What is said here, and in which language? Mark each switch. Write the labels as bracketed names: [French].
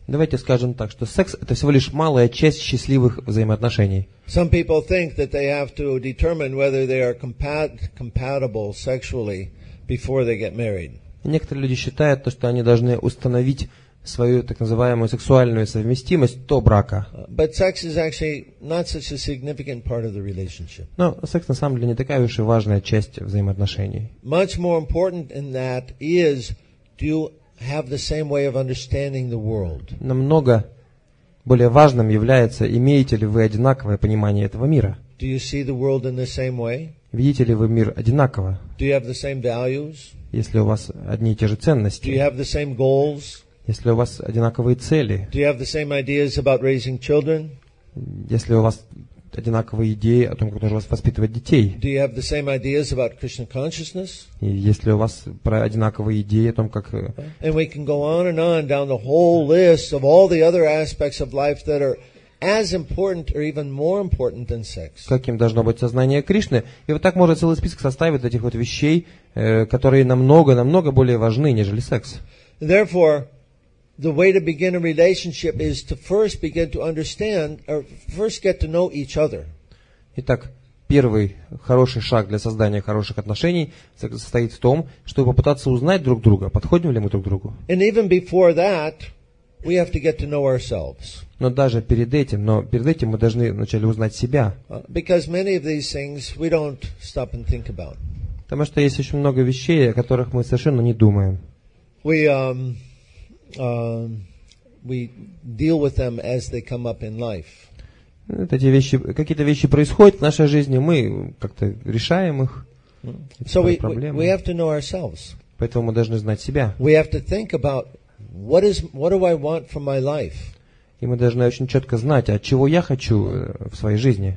[Russian] Давайте скажем так, что секс это всего лишь малая часть счастливых взаимоотношений. [English] Some people think that they have to determine whether they are compatible sexually before they get married. [Russian] Некоторые люди считают, что они должны установить свою так называемую сексуальную совместимость до брака. [English] But sex is actually not such a significant part of the relationship. [Russian] Но секс на самом деле не такая уж и важная часть взаимоотношений. [English] Much more important than that is do have the same way of understanding the world. [Russian] Намного более важным является, имеете ли вы одинаковое понимание этого мира? [English] Do you see the world in the same way? [Russian] Видите ли вы мир одинаково? [English] Do you have the same values? [Russian] Если у вас одни и те же ценности? [English] Do you have the same goals? [Russian] Если у вас одинаковые цели? [English] Do you have the same ideas about raising children? [Russian] Если у вас одинаковые идеи о том, как нужно воспитывать детей. [English] Do you have the same ideas about Krishna consciousness? [Russian] И есть ли у вас одинаковые идеи о том, как... [English] And we can go on and on down the whole list of all the other aspects of life that are as important or even more important than sex. [Russian] Каким должно быть сознание Кришны? И вот так можно целый список составить этих вот вещей, которые намного, намного более важны, нежели секс. [English] Therefore, the way to begin a relationship is to first begin to understand or first get to know each other. [Russian] Итак, первый хороший шаг для создания хороших отношений состоит в том, чтобы попытаться узнать друг друга, подходим ли мы друг другу. [English] And even before that, we have to get to know ourselves. [Russian] Но даже перед этим мы должны вначале узнать себя. [English] Because many of these things we don't stop and think about. [Russian] Потому что есть очень много вещей, о которых мы совершенно не думаем. [English] We deal with them as they come up in life. [Russian] Эти вещи, какие-то вещи происходят в нашей жизни, мы как-то решаем их. [English] So we have to know ourselves. [Russian] Поэтому мы должны знать себя. [English] We have to think about what do I want from my life? [Russian] И мы должны очень четко знать, от чего я хочу в своей жизни.